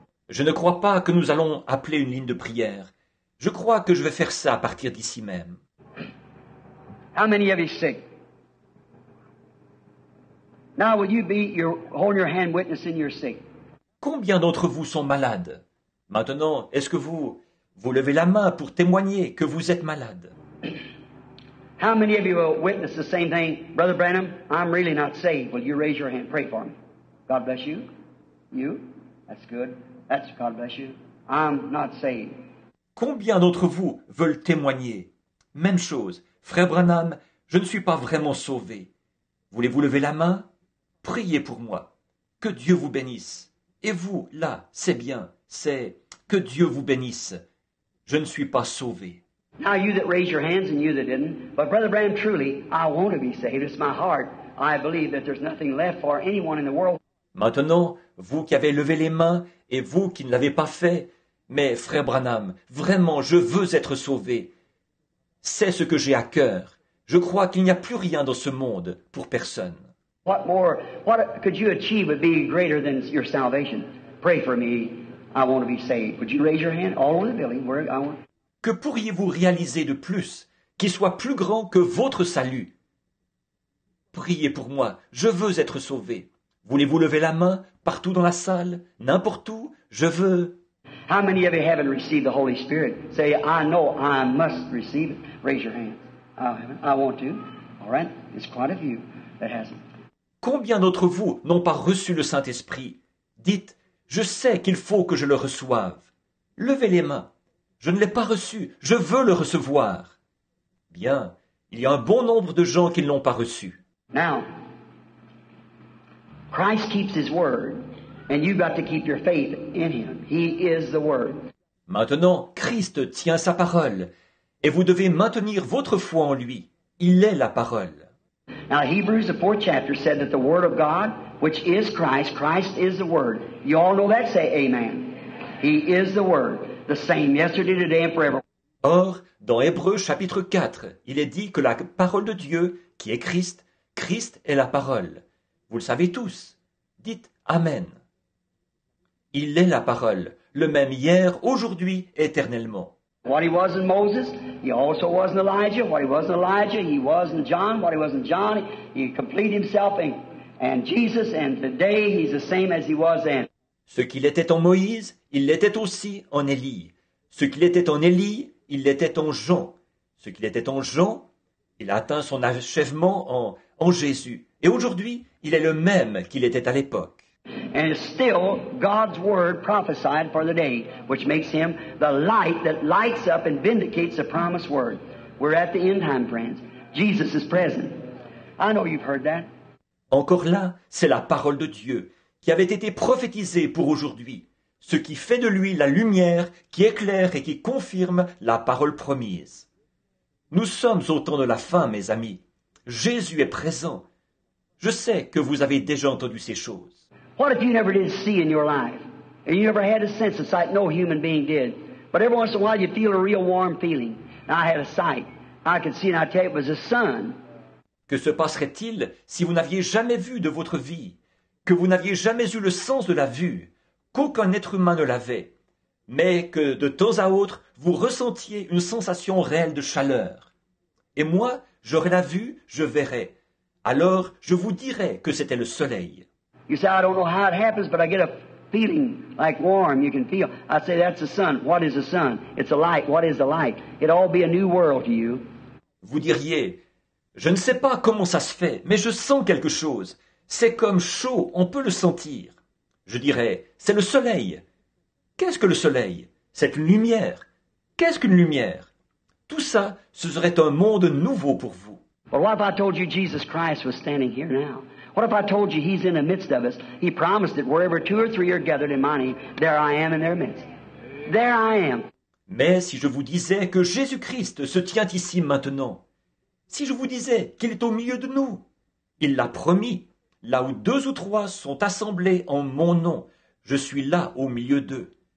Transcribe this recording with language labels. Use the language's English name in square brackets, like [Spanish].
[French] Je ne crois pas que nous allons appeler une ligne de prière. Je crois que je vais faire ça à partir d'ici même. [English] How many of you are sick? Now will you be your hold your hand witness in your sick? [French] Combien d'entre vous sont malades? Maintenant, est-ce que vous levez la main pour témoigner que vous êtes malade? [English] How many of you will witness the same thing, Brother Branham? I'm really not saved. Will you raise your hand? Pray for me. God bless you. You? That's good. That's God bless you. I'm not saved. [French] Combien d'entre vous veulent témoigner? Même chose. Frère Branham, je ne suis pas vraiment sauvé. Voulez-vous lever la main? Priez pour moi. Que Dieu vous bénisse. Et vous, là, c'est bien. C'est que Dieu vous bénisse. Je ne suis pas sauvé. [English] Now you that raised your hands and you that didn't, but Brother Branham, truly, I want to be saved. It's my heart. I believe that there's nothing left for anyone in the world. [French] Maintenant, vous qui avez levé les mains et vous qui ne l'avez pas fait, mais frère Branham, vraiment, je veux être sauvé. C'est ce que j'ai à cœur. Je crois qu'il n'y a plus rien dans ce monde pour personne. [English] What more? What could you achieve would be greater than your salvation? Pray for me. I want to be saved. Would you raise your hand? All over the building. Where I want. [French] Que pourriez-vous réaliser de plus qui soit plus grand que votre salut? Priez pour moi. Je veux être sauvé. Voulez-vous lever la main partout dans la salle, n'importe où? Je veux. [English] How many of you haven't received the Holy Spirit? Say, I know I must receive it. Raise your hand. I want to. All right. It's quite a few that hasn't. [French] Combien d'entre vous n'ont pas reçu le Saint-Esprit? Dites, je sais qu'il faut que je le reçoive. Levez les mains. Je ne l'ai pas reçu. Je veux le recevoir. Bien, il y a un bon nombre de gens qui ne l'ont pas reçu. [English] Now, Christ keeps his word. And you've got to keep your faith in him. He is the word. [French] Maintenant, Christ tient sa parole. Et vous devez maintenir votre foi en lui. Il est la parole. [English] Now, Hebrews, the fourth chapter, said that the word of God, which is Christ, Christ is the word. You all know that? Say amen. He is the word. The same yesterday, today, and forever. [French] Or, dans Hébreux, chapitre 4, il est dit que la parole de Dieu, qui est Christ, Christ est la parole. Vous le savez tous. Dites amen. Il est la parole, le même hier, aujourd'hui, éternellement. [English] What he was in Moses, he also was in Elijah. What he was in Elijah, he was in John. What he was in John, he completed himself in Jesus, and today he's the same as he was then. [French] Ce qu'il était en Moïse, il l'était aussi en Élie. Ce qu'il était en Élie, il l'était en Jean. Ce qu'il était en Jean, il a atteint son achèvement en Jésus. Et aujourd'hui, il est le même qu'il était à l'époque. [English] And still God's word prophesied for the day, which makes him the light that lights up and vindicates the promised word. We're at the end time, friends. Jesus is present. I know you've heard that. [French] Encore là, c'est la parole de Dieu qui avait été prophétisée pour aujourd'hui, ce qui fait de lui la lumière qui éclaire et qui confirme la parole promise. Nous sommes au temps de la fin, mes amis. Jésus est présent. Je sais que vous avez déjà entendu ces choses. [English] What if you never did see in your life, and you never had a sense of sight? No human being did. But every once in a while, you feel a real warm feeling. And I had a sight. I could see, and I tell you, it was the sun. [French] Que se passerait-il si vous n'aviez jamais vu de votre vie, que vous n'aviez jamais eu le sens de la vue, qu'aucun être humain ne l'avait, mais que de temps à autre, vous ressentiez une sensation réelle de chaleur? Et moi, j'aurais la vue, je verrais. Alors, je vous dirais que c'était le soleil. [English] You say, I don't know how it happens, but I get a feeling like warm, you can feel. I say, that's the sun. What is the sun? It's a light. What is the light? It'll all be a new world to you. [French] Vous diriez, je ne sais pas comment ça se fait, mais je sens quelque chose. C'est comme chaud, on peut le sentir. Je dirais, c'est le soleil. Qu'est-ce que le soleil? C'est une lumière. Qu'est-ce qu'une lumière? Tout ça, ce serait un monde nouveau pour vous. [English] But what if I told you Jesus Christ was standing here now? What if I told you he's in the midst of us? He promised that wherever two or three are gathered in my name, there I am in their midst. There I am. [French] Mais si je vous disais que Jésus-Christ se tient ici maintenant, si je vous disais qu'il est au milieu de nous, il l'a promis, là où deux ou trois sont assemblés en mon nom, je suis là au milieu d'eux.